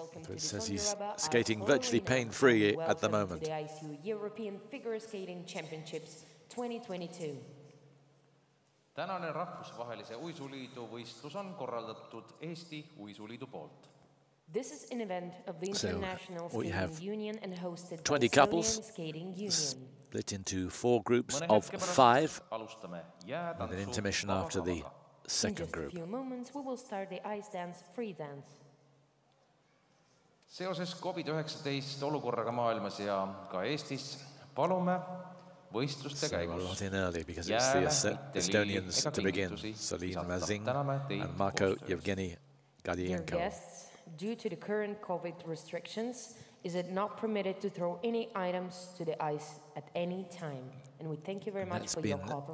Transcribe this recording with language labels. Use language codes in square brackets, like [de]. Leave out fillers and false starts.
[en] It says he's skating virtually pain-free at the moment. Welcome to the ISU European Figure Skating Championships 2022. [et] Tänane rahvusvahelise uisuliidu võistlus on korraldatud Eesti uisuliidu poolt. [en] This is an event of the International Skating Union and hosted by the Estonian Skating Union. Split into four groups of five, and an intermission after the second group. In just a few moments, we will start the ice dance, free dance. [et] Seoses COVID-19 olukorraga maailmas ja ka Eestis palume võistluste käigus. [en] So in early because it's the Estonians to begin. Salim Mazing and Marko Yevgeni Gadienko. Dear guests, due to the current COVID restrictions, is it not permitted to throw any items to the ice at any time? And we thank you very much for your cooperation.